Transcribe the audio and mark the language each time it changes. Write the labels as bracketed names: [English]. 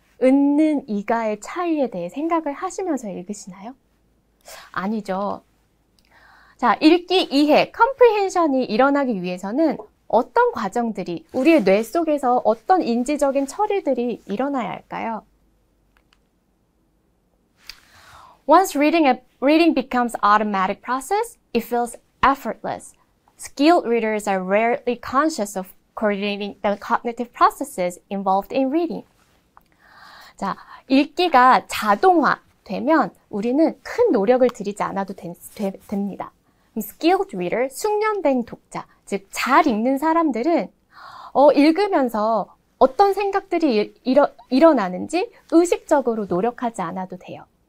[Korean] 읽는 이가의 차이에 대해 생각을 하시면서 읽으시나요? 아니죠. 자, 읽기 이해, 컴프리헨션이 일어나기 위해서는 어떤 과정들이 우리의 뇌 속에서 어떤 인지적인 처리들이 일어나야 할까요? [English] Once reading becomes automatic process, it feels effortless. Skilled readers are rarely conscious of coordinating the cognitive processes involved in reading. [Korean] 자, 읽기가 자동화되면 우리는 큰 노력을 들이지 않아도 됩니다. Skilled reader, 숙련된 독자, 즉잘 읽는 사람들은 읽으면서 어떤 생각들이 일어나는지 의식적으로 노력하지 않아도 돼요.